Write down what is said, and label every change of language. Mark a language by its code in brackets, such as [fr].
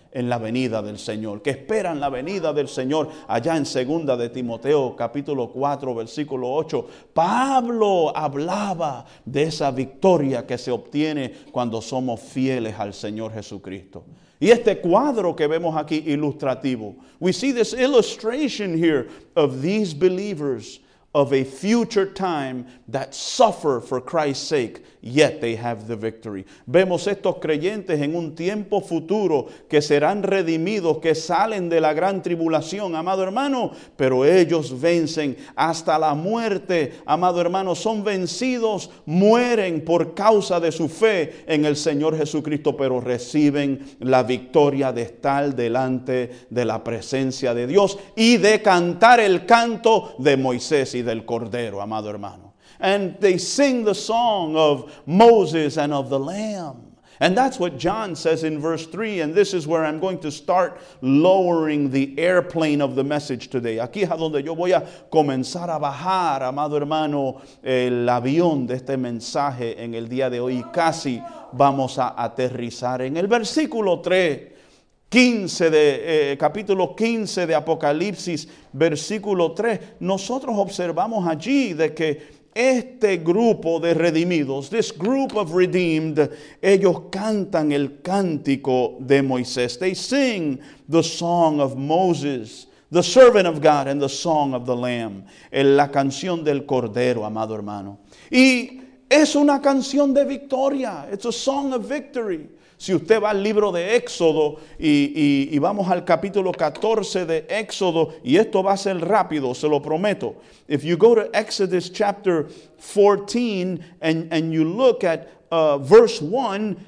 [es] en la venida del Señor, que esperan la venida del Señor, allá en 2 de Timoteo, capítulo 4, versículo 8, Pablo hablaba de esa victoria que se obtiene cuando somos fieles al Señor Jesucristo. Y este cuadro que vemos aquí, ilustrativo, [en] we see this illustration here of these believers of a future time that suffer for Christ's sake, yet they have the victory. [es] Vemos estos creyentes en un tiempo futuro que serán redimidos, que salen de la gran tribulación, amado hermano, pero ellos vencen hasta la muerte, amado hermano, son vencidos, mueren por causa de su fe en el Señor Jesucristo, pero reciben la victoria de estar delante de la presencia de Dios y de cantar el canto de Moisés y del Cordero, amado hermano. [en] And they sing the song of Moses and of the Lamb. And that's what John says in verse 3. And this is where I'm going to start lowering the airplane of the message today. [es] Aquí es donde yo voy a comenzar a bajar, amado hermano, el avión de este mensaje en el día de hoy. Casi vamos a aterrizar en el versículo 3. 15 de capítulo 15 de Apocalipsis, versículo 3. Nosotros observamos allí de que este grupo de redimidos, [en] this group of redeemed, [es] ellos cantan el cántico de Moisés. [en] They sing the song of Moses, the servant of God, and the song of the Lamb. [es] En la canción del Cordero, amado hermano. Y es una canción de victoria. [en] It's a song of victory. [es] Si usted va al libro de Éxodo y vamos al capítulo 14 de Éxodo, y esto va a ser rápido, se lo prometo. [en] If you go to Exodus chapter 14 and you look at verse 1,